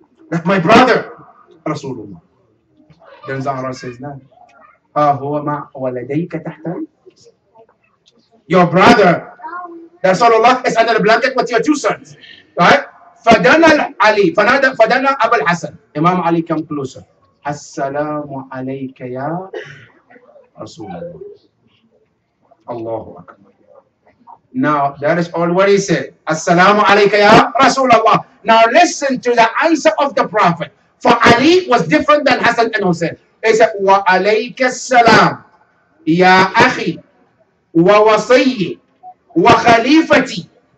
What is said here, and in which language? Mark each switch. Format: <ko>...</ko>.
<en>Like my brother, Rasulullah. Then Zahra says that.</en> <ar>هو مع ولديك تحت.</ar> <en>Your brother, the Rasulullah is under the blanket with your two sons, right?</en> <ar>فدنا علي فنادى فدنا أبو الحسن.</ar> <en>Imam Ali came closer.</en> <ar>السلام عليك يا رسول الله. الله أكبر.</ar> <en>Now that is all what he said.</en> <ar>السلام عليك يا رسول الله.</ar> <en>Now listen to the answer of the Prophet. For Ali was different than Hassan and Hussein. He said,</en> <ar>وعليك السلام يا أخي ووصي وخليفتي.</ar>